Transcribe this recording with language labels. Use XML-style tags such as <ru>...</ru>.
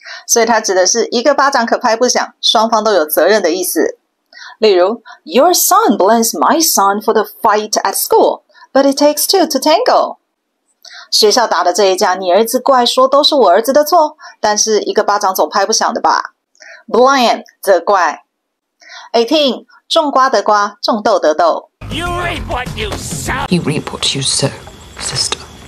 <zh>所以它指的是一个巴掌可拍不响，双方都有责任的意思。</zh> <en>例如 Your son blames my son for the fight at school, but it takes two to tango.</en> <zh>学校打的这一架，你儿子怪说都是我儿子的错，但是一个巴掌总拍不响的吧。 Blame, 责怪。18. 种瓜得瓜，种豆得豆。</zh> <en>You reap what you sow. You reap what you sow, sister.</en>